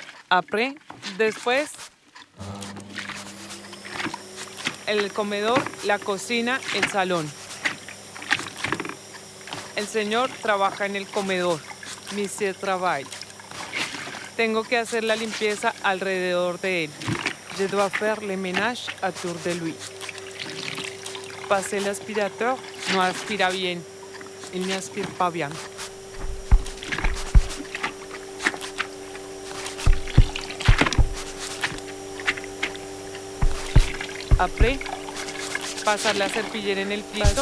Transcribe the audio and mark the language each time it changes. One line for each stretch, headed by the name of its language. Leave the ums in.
Spanish: Après, después, el comedor, la cocina, el salón. El señor trabaja en el comedor.
French: Monsieur travaille.
Spanish: Tengo que hacer la limpieza alrededor de él.
French: Je dois faire le ménage autour de lui.
Spanish: Pasé el aspirador, no aspira bien.
French: Il ne aspire pas bien.
Spanish: Après, pasar la serpillera en el piso.